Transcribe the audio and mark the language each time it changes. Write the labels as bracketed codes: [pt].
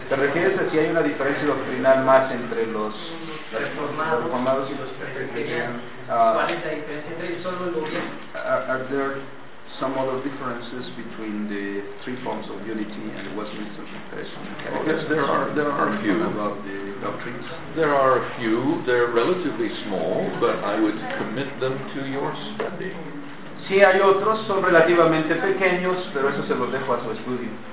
[es] ¿Te refieres a si hay una diferencia doctrinal más entre los reformados y los presbiterianos? [en] Are there some other differences between the three forms of unity and the Westminster Confession? Yes, there are a few about the doctrines. There are a few. They're relatively small, but I would commit them to your study. [es] Sí, hay otros, son relativamente pequeños, pero eso se los dejo a su estudio.